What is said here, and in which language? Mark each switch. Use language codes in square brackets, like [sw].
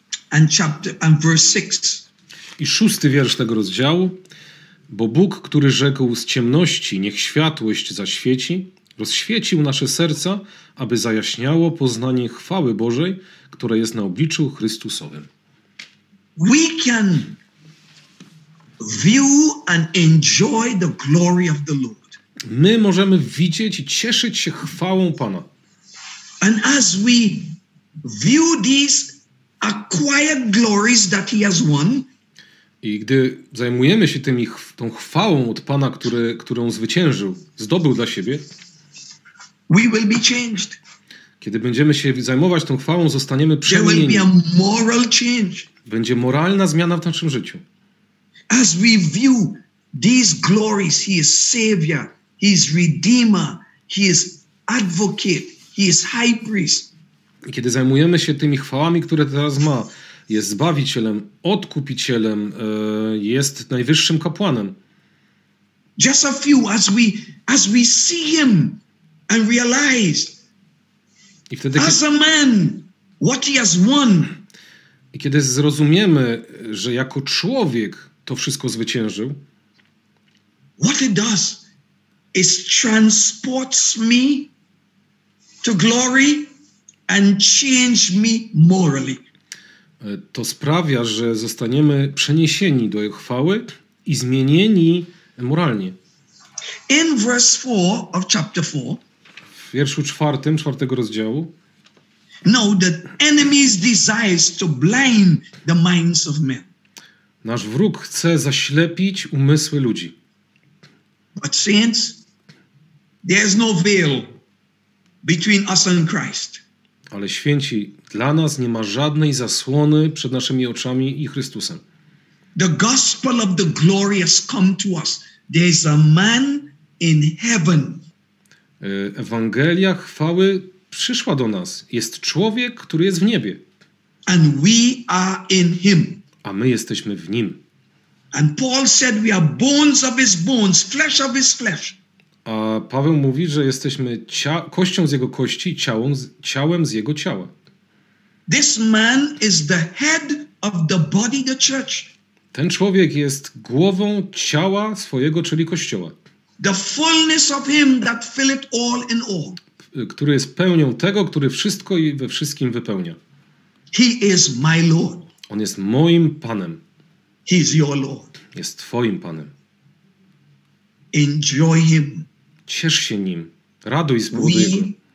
[en] And verse 6. [pl] I szósty wiersz tego rozdziału. Bo Bóg, który rzekł z ciemności, niech światłość zaświeci, rozświecił nasze serca, aby zajaśniało poznanie chwały Bożej, która jest na obliczu Chrystusowym. [en] We can view and enjoy the glory of the Lord. [pl] My możemy widzieć i cieszyć się chwałą Pana. [en] And as we view these acquired glories that he has won, [pl] i gdy zajmujemy się tymi, tą chwałą od Pana, którą zwyciężył, zdobył dla siebie, [en] we will be changed. [pl] Kiedy będziemy się zajmować tą chwałą, zostaniemy przemienieni. [en] There will be a moral change. [pl] Będzie moralna zmiana w naszym życiu. [en] As we view these glories, he is Savior, he is Redeemer, he is Advocate, he is High Priest. [pl] I kiedy zajmujemy się tymi chwałami, które teraz ma, jest Zbawicielem, Odkupicielem, jest Najwyższym Kapłanem. [en] Just a few, as we see him and realize, [pl] i wtedy, [en] as a man, what he has won. [pl] I kiedy zrozumiemy, że jako człowiek to wszystko zwyciężył, [en] what it does is transports me to glory and change me morally. [pl] To sprawia, że zostaniemy przeniesieni do jego chwały i zmienieni moralnie. [en] In verse 4 of chapter 4. [pl] W wierszu czwartym, czwartego rozdziału. [en] No, the enemy's desires to blind the minds of men. [pl] Nasz wróg chce zaślepić umysły ludzi. [en] But saints, there's no veil between us and Christ. [pl] Ale święci, dla nas nie ma żadnej zasłony przed naszymi oczami i Chrystusem. [en] The gospel of the glory has come to us. There is a man in heaven. [pl] Ewangelia chwały przyszła do nas. Jest człowiek, który jest w niebie. [en] And we are in him. [pl] A my jesteśmy w nim. [en] And Paul said we are bones of his bones, flesh of his flesh. [pl] A Paweł mówi, że jesteśmy kością z jego kości, ciałem z jego ciała. [en] This man is the head of the body, the church. [pl] Ten człowiek jest głową ciała swojego, czyli kościoła. [en] The fullness of him that fill it all in all. [pl] Który jest pełnią tego, który wszystko i we wszystkim wypełnia. [en] He is my Lord. [pl] On jest moim Panem. [en] He is your Lord. [pl] Jest twoim Panem. [en] Enjoy him. [pl] Ciesz się nim. Raduj z powodu jego.